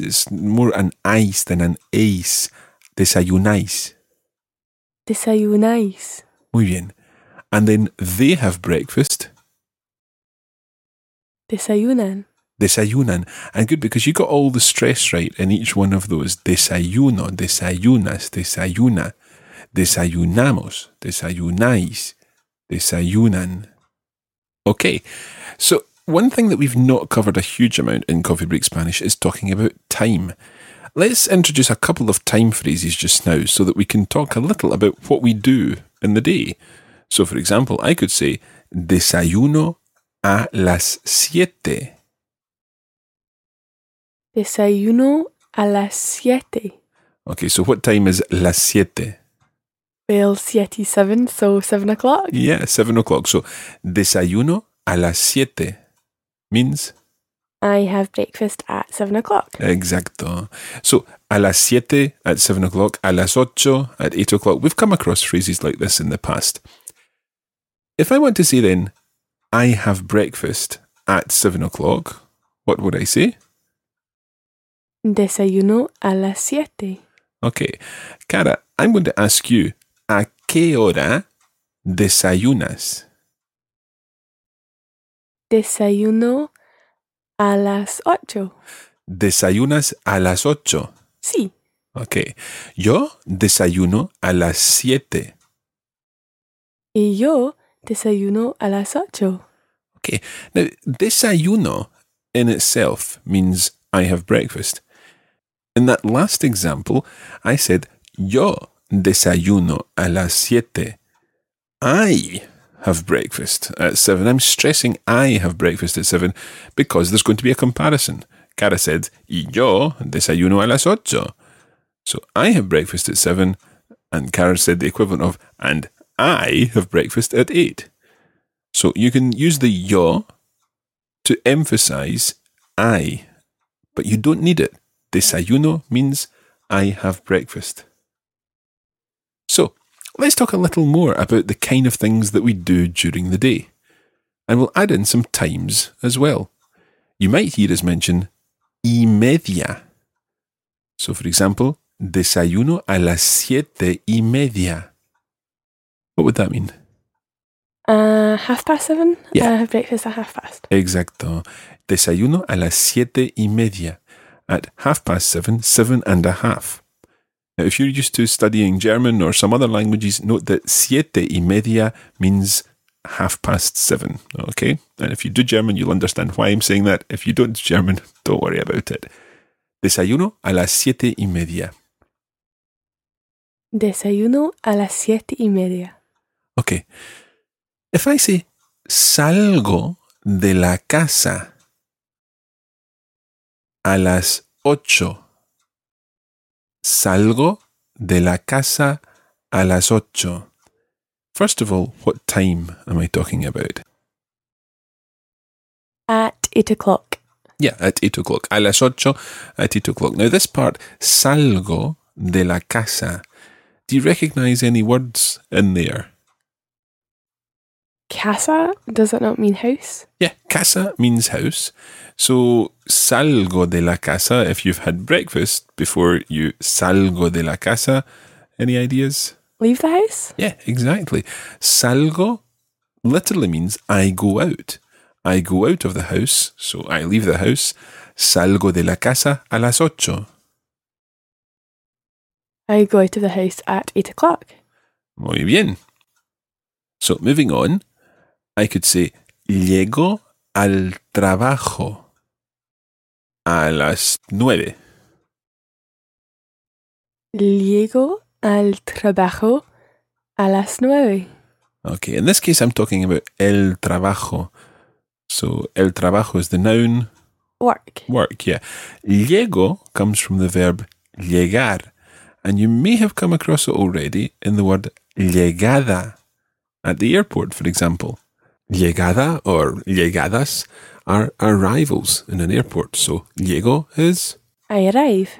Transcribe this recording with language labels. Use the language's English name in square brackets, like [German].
[English] It's more an ais than an ace. [Spanish] Desayunáis. Desayunáis. Muy bien. [English] And then they have breakfast. [Spanish] Desayunan. Desayunan. [English] And good, because you got all the stress right in each one of those. [Spanish] Desayuno, desayunas, desayuna. Desayunamos, desayunáis, desayunan. [English] Okay, so one thing that we've not covered a huge amount in Coffee Break Spanish is talking about time. Let's introduce a couple of time phrases just now so that we can talk a little about what we do in the day. So, for example, I could say, [Spanish] desayuno a las siete. Desayuno a las siete. [English] Okay, so what time is [Spanish] las siete? [English] Well, siete is seven, so 7 o'clock. Yeah, 7 o'clock. So, [Spanish] desayuno a las siete [English] means? I have breakfast at 7 o'clock. Exacto. So, [Spanish] a las siete [English] at 7 o'clock, [Spanish] a las ocho [English] at 8 o'clock. We've come across phrases like this in the past. If I want to say then, I have breakfast at 7 o'clock, what would I say? [Spanish] Desayuno a las siete. [English] Okay. Cara, I'm going to ask you, [Spanish] ¿a qué hora desayunas? Desayuno a las ocho. ¿Desayunas a las ocho? Sí. Okay. Yo desayuno a las siete. Y yo desayuno a las ocho. [English] Okay. Now, desayuno in itself means I have breakfast. In that last example, I said, [Spanish] yo desayuno a las siete. [English] I have breakfast at seven. I'm stressing I have breakfast at seven because there's going to be a comparison. Cara said, [Spanish] y yo desayuno a las ocho. [English] So I have breakfast at seven, and Cara said the equivalent of, and I have breakfast at eight. So you can use the yo to emphasize I, but you don't need it. Desayuno means I have breakfast. So, let's talk a little more about the kind of things that we do during the day. And we'll add in some times as well. You might hear us mention y media. So, for example, [Spanish] desayuno a las siete y media. [English] What would that mean? Half past seven. Yeah. I have breakfast at half past. [Spanish] Exacto. Desayuno a las siete y media. [English] At half past seven, seven and a half. Now, if you're used to studying German or some other languages, note that [Spanish] siete y media [English] means half past seven, okay? And if you do German, you'll understand why I'm saying that. If you don't do German, don't worry about it. [Spanish] Desayuno a las siete y media. Desayuno a las siete y media. [English] Okay. If I say [Spanish] salgo de la casa a las ocho. Salgo de la casa a las ocho. [English] First of all, what time am I talking about? At 8 o'clock. Yeah, at 8 o'clock. [Spanish] A las ocho, [English] at 8 o'clock. Now this part, [Spanish] salgo de la casa. [English] Do you recognize any words in there? Casa, does that not mean house? Yeah, casa means house. So, [Spanish] salgo de la casa, [English] if you've had breakfast before you salgo de la casa, any ideas? Leave the house? Yeah, exactly. Salgo literally means I go out. I go out of the house, so I leave the house. [Spanish] Salgo de la casa a las ocho. [English] I go out of the house at 8 o'clock. [Spanish] Muy bien. [English] So, moving on, I could say, [Spanish] llego al trabajo a las nueve. Llego al trabajo a las nueve. [English] Okay, in this case, I'm talking about el trabajo. So, el trabajo is the noun. Work. Work, yeah. Llego comes from the verb llegar. And you may have come across it already in the word llegada at the airport, for example. Llegada or llegadas are arrivals in an airport. So, llego is? I arrive.